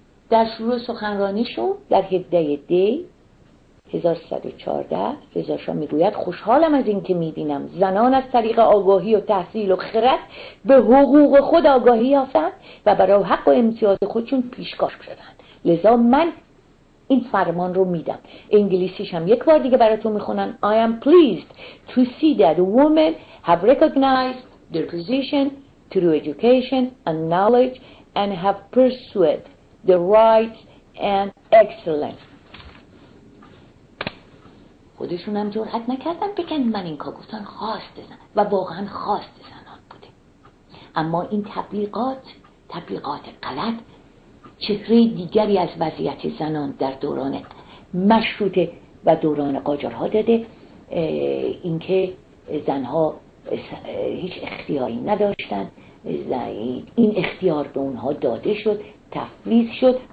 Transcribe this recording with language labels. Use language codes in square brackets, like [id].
[fa] در شروع سخنرانیشون در هفده دی 1114 رضا شاه میگوید خوشحالم از این که میبینم زنان از طریق آگاهی و تحصیل و خرد به حقوق خود آگاهی یافتند و برای حق و امتیاز خودشون پیشکاش شدند. لذا من این فرمان رو میدم. انگلیسیش هم یک بار دیگه براتون میخونن. [en] I am pleased to see that women have recognized their position through education and knowledge and have pursued their rights and excellence. [fa] خودشون هم جرأت نکردن بگن من این کار گفتن خواست زن و واقعا خواست زنان بوده. اما این تبلیغات غلط چهره دیگری از وضعیت زنان در دوران مشروطه و دوران قاجارها داده، اینکه زنها هیچ اختیاری نداشتن، این اختیار به اونها داده شد، تفویض شد.